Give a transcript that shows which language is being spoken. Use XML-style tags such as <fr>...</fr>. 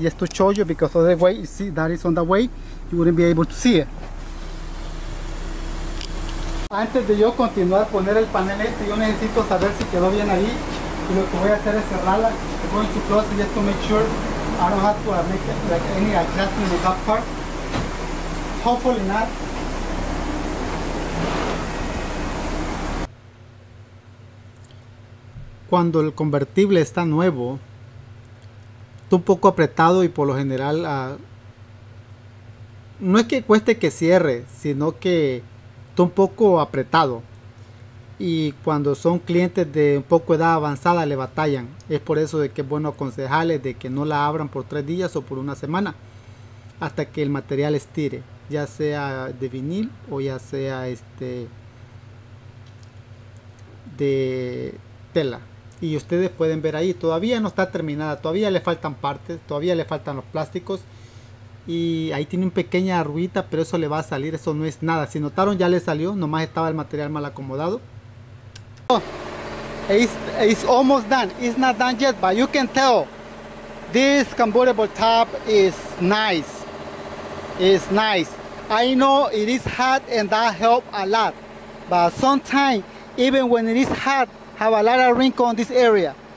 <en>Just to show you because of the way, you see that is on the way, you wouldn't be able to see it.</en> <es>Antes de yo continuar a poner el panel este, yo necesito saber si quedó bien ahí. Y lo que voy a hacer es cerrarla.</es> <en>I'm going to close it just to make sure I don't have to make it, like, any adjustment in that part. Hopefully not.</en> <es>Cuando el convertible está nuevo, está un poco apretado y por lo general no es que cueste que cierre, sino que está un poco apretado. Y cuando son clientes de un poco edad avanzada le batallan. Es por eso de que es bueno aconsejarles de que no la abran por 3 días o por una semana hasta que el material estire, ya sea de vinil o ya sea de tela. Y ustedes pueden ver ahí, todavía no está terminada, todavía le faltan partes, todavía le faltan los plásticos. Y ahí tiene una pequeña arruguita, pero eso le va a salir, eso no es nada. Si notaron, ya le salió, nomás estaba el material mal acomodado.</es> <en>It's almost done, it's not done yet, but you can tell this convertible top is nice. It's nice. I know it is hot and that helped a lot. But sometimes, even when it is hot, have a lot of wrinkle on this area.</en>